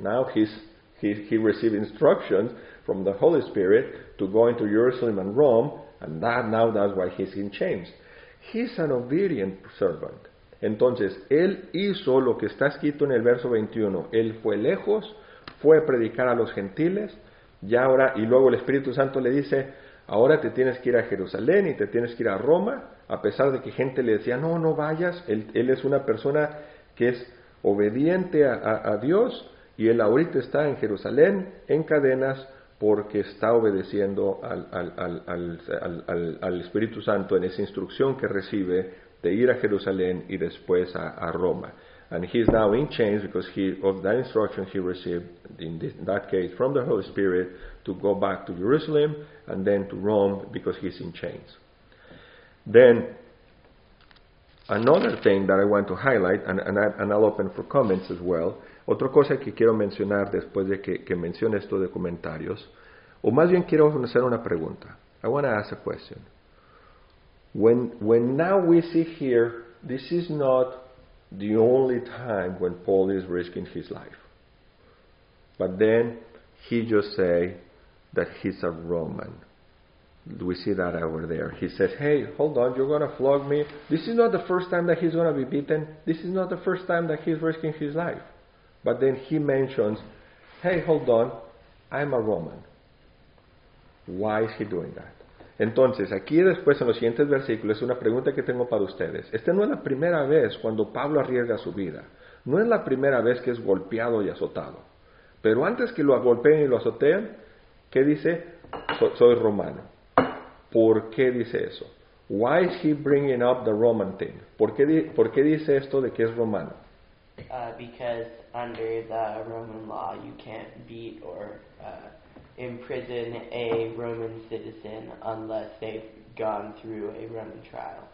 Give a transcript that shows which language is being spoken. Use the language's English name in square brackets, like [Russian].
[English] Now he received instructions from the Holy Spirit to go into Jerusalem and Rome, and that's why he's in chains. He's an obedient servant. [Spanish] Entonces, él hizo lo que está escrito en el verso 21. Él fue lejos, fue a predicar a los gentiles, y luego el Espíritu Santo le dice, ahora te tienes que ir a Jerusalén y te tienes que ir a Roma, a pesar de que gente le decía, no vayas. Él es una persona que es obediente a Dios, y él ahorita está en Jerusalén en cadenas porque está obedeciendo al Espíritu Santo en esa instrucción que recibe de ir a Jerusalén y después a Roma. [English] And he is now in chains because he of that instruction he received in that case from the Holy Spirit to go back to Jerusalem and then to Rome because he's in chains. Then another thing that I want to highlight, and I'll open for comments as well. [Spanish] Otra cosa que quiero mencionar después de que mencione esto de comentarios, o más bien quiero hacer una pregunta. [English] I want to ask a question. When now we see here, this is not the only time when Paul is risking his life. But then he just say that he's a Roman. We see that over there. He says, hey, hold on, you're going to flog me. This is not the first time that he's going to be beaten. This is not the first time that he's risking his life. But then he mentions, hey, hold on, I'm a Roman. Why is he doing that? [Spanish] Entonces, aquí después en los siguientes versículos, una pregunta que tengo para ustedes. Esta no es la primera vez cuando Pablo arriesga su vida. No es la primera vez que es golpeado y azotado. Pero antes que lo golpeen y lo azoteen, ¿qué dice? Soy romano. ¿Por qué dice eso? [English] Why is he bringing up the Roman thing? [Spanish] ¿Por qué dice esto de que es romano? [English] Because under the Roman law you can't beat or imprison a Roman citizen unless they've gone through a Roman trial.